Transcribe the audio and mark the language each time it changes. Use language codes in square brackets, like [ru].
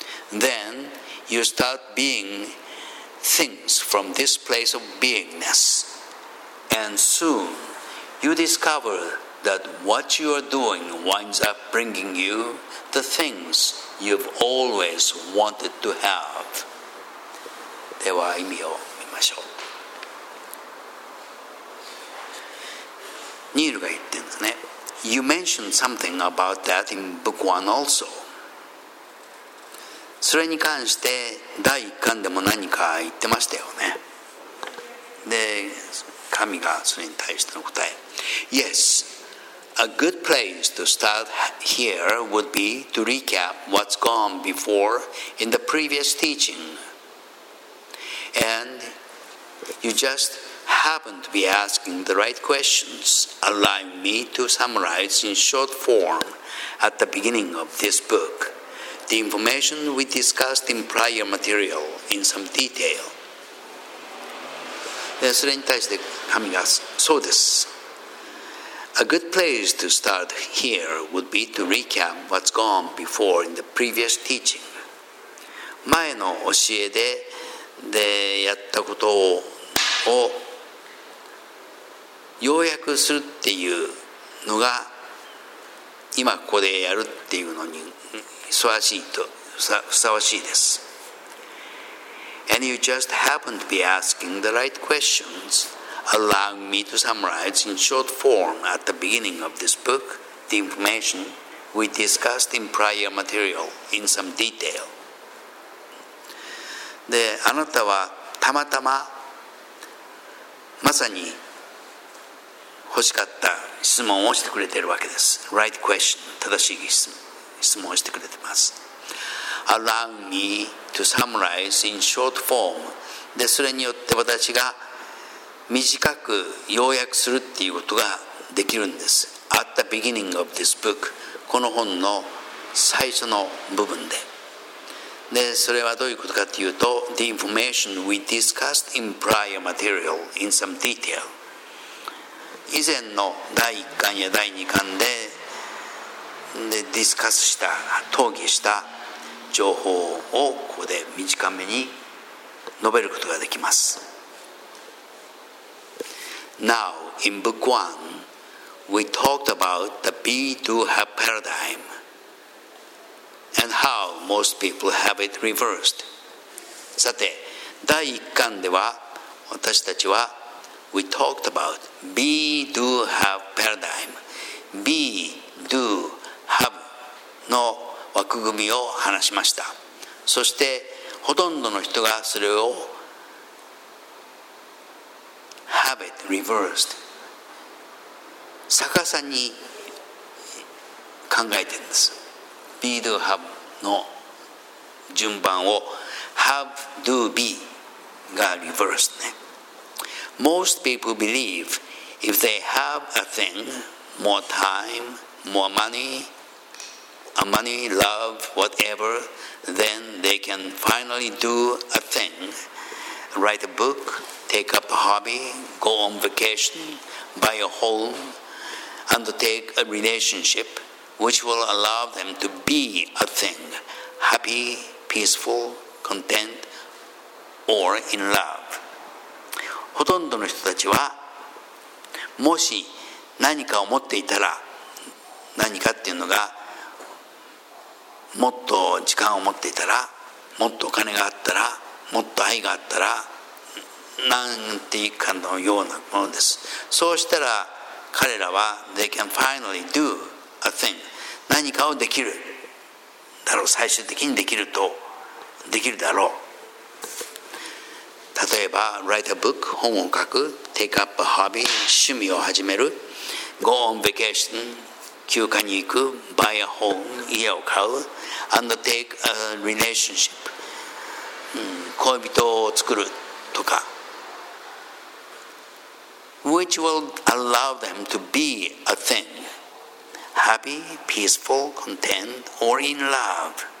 [en] Then you start being things from this place of beingness. And soon you discover that what you are doing winds up bringing you the things you've always wanted to have. [ja] では意味を見ましょう。ニールが言ってるんですね。 [en] You mentioned something about that in book one also. [ja] それに関して第1巻でも何か言ってましたよね。で、神がそれに対しての答え。 [en] Yes, a good place to start here would be to recap what's gone before in the previous teaching. And you just... happen to be asking the right questions, allowing me to summarize in short form at the beginning of this book the information we discussed in prior material in some detail. [ja] それに対して神がそうです。 [en] A good place to start here would be to recap what's gone before in the previous teaching. [ja] 前の教えでやったことを要約するっていうのが今ここでやるっていうのにふさわしいです。 [en] And you just happen to be asking the right questions, allowing me to summarize in short form at the beginning of this book the information we discussed in prior material in some detail. [ja] で、あなたはたまたま、まさに欲しかった質問をしてくれているわけです。 [en] Right question. [ja] 正しい質問をしてくれてます。 [en] Allow me to summarize in short form. [ja] で、それによって私が短く要約するっていうことができるんです。 [en] At the beginning of this book. [ja] この本の最初の部分で。で、それはどういうことかというと、 [en] The information we discussed in prior material in some detail. [ja] 以前の第1巻や第2巻 でディスカスした討議した情報をここで短めに述べることができます。 [en] Now in book 1 we talked about the be do have paradigm and how most people have it reversed. [ja] さて第1巻では私たちは [en] We talked about be, do, have paradigm. Be, do, have [ja] の枠組みを話しました。そしてほとんどの人がそれを [en] have it reversed. [ja] 逆さに考えてるんです。 Be, do, have の順番を have, do, be が reversed ね。 [en] Most people believe If they have a thing, more time, more money, love, whatever, then they can finally do a thing, write a book, take up a hobby, go on vacation, buy a home, undertake a relationship which will allow them to be a thing, happy, peaceful, content, or in love. [ja] ほとんどの人たちはもし何かを持っていたら、何かっていうのがもっと時間を持っていたら、もっとお金があったら、もっと愛があったら、なんていうかのようなものです。そうしたら彼らは [en] they can finally do a thing、 [ja] 何かをできるだろう、最終的にできるとできるだろう。例えば [en] write a book、 [ja] 本を書く、 [en] take up a hobby、 [ja] 趣味を始める、 [en] go on vacation、 [ja] 休暇に行く、 [en] buy a home、 [ja] 家を買う、 [en] undertake a relationship、 [ja] 恋人を作るとか、 [en] which will allow them to be a thing, happy, peaceful, content, or in love.